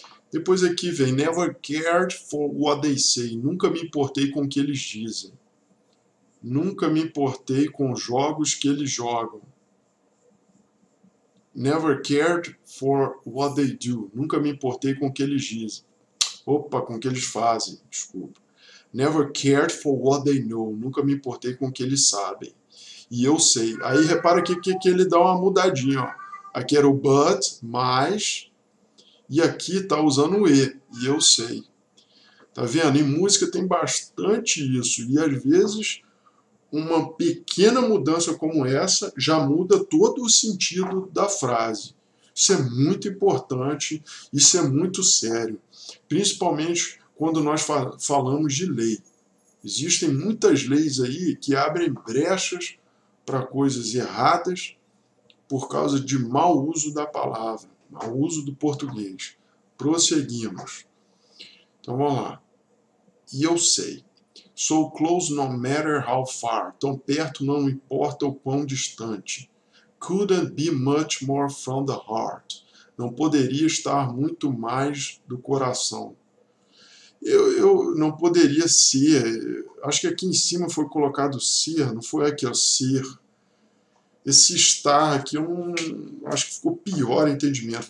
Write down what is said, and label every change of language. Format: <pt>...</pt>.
<pt>Depois aqui vem,</pt> <en>never cared for what they say,</en> <pt>nunca me importei com o que eles dizem. Nunca me importei com os jogos que eles jogam.</pt> <en>Never cared for what they do.</en> <pt>Nunca me importei com o que eles dizem. Opa, com o que eles fazem, desculpa.</pt> <en>Never cared for what they know.</en> <pt>Nunca me importei com o que eles sabem. E eu sei. Aí repara que ele dá uma mudadinha, ó. Aqui era o but, mas. E aqui tá usando o e eu sei. Tá vendo? Em música tem bastante isso. E às vezes, uma pequena mudança como essa já muda todo o sentido da frase. Isso é muito importante. Isso é muito sério. Principalmente. Quando nós falamos de lei, existem muitas leis aí que abrem brechas para coisas erradas por causa de mau uso da palavra, mau uso do português. Prosseguimos. Então vamos lá. E eu sei.</pt> <en>So close no matter how far.</en> <pt>Tão perto não importa o quão distante.</pt> <en>Couldn't be much more from the heart.</en> <pt>Não poderia estar muito mais do coração. Eu não poderia ser. Acho que aqui em cima foi colocado ser, não foi aqui, ó, ser. Esse estar aqui, eu não, acho que ficou pior o entendimento.</pt>